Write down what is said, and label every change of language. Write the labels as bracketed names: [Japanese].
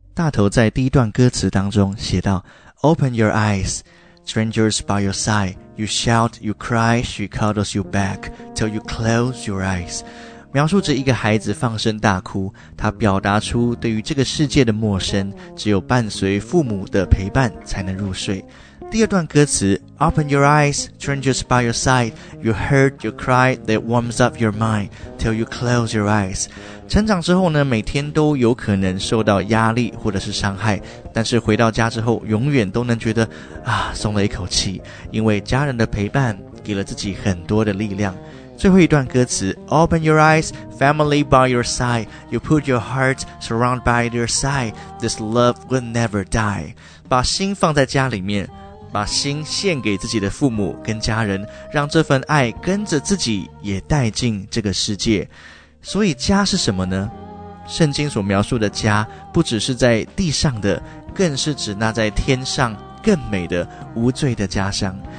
[Chinese] 头在第一段歌词当中写到 [English] Open your eyes, strangers by your side, you shout, you cry, she cuddles you back, till you close your eyes. [Chinese] 描述着一个孩子放声大哭，他表达出对于这个世界的陌生，只有伴随父母的陪伴才能入睡。第二段歌词 [English] Open your eyes, strangers by your side, you heard your cry that warms up your mind, till you close your eyes. [Chinese] 成长之后呢，每天都有可能受到压力或者是伤害，但是回到家之后永远都能觉得啊，松了一口气，因为家人的陪伴给了自己很多的力量。最后一段歌词 [English] Open your eyes, family by your side, you put your heart surrounded by their side, this love will never die. [Chinese] 把心放在家里面，把心献给自己的父母跟家人，让这份爱跟着自己也带进这个世界。所以家是什么呢？圣经所描述的家不只是在地上的，更是指那在天上更美的无罪的家乡。